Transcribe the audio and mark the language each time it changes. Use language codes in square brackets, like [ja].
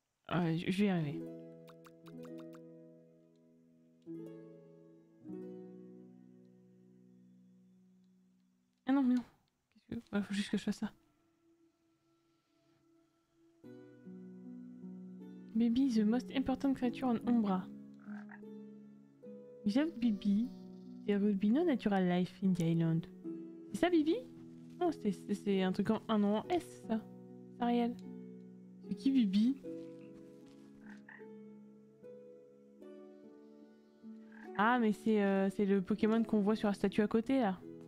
[fr] Je vais y arriver. Ah non, mais non. Voilà, faut juste que je fasse ça. [en] Baby is the most important creature on Umbra. We have Baby. There would be no natural life in the island. [fr] C'est ça, Bibi? Non, c'est un truc en un nom en S, ça. Ariel. C'est qui, Bibi? Ah, mais c'est le Pokémon qu'on voit sur la statue à côté, là.